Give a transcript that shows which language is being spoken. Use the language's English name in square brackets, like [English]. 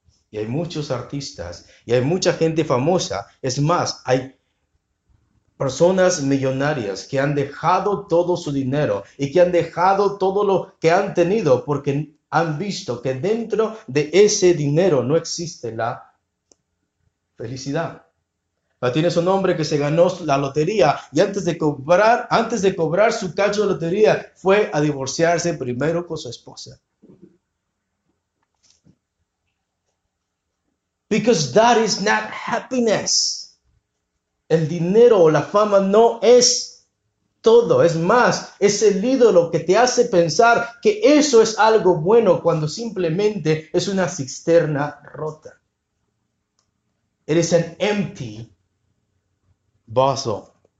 [Spanish] Y hay muchos artistas y hay mucha gente famosa. Es más, hay personas millonarias que han dejado todo su dinero y que han dejado todo lo que han tenido porque han visto que dentro de ese dinero no existe la felicidad. Tienes un hombre que se ganó la lotería y antes de cobrar su cacho de lotería, fue a divorciarse primero con su esposa. [English] Because that is not happiness. [Spanish] El dinero o la fama no es todo. Es más, es el ídolo que te hace pensar que eso es algo bueno cuando simplemente es una cisterna rota. [English] It is an empty [Spanish] vaso.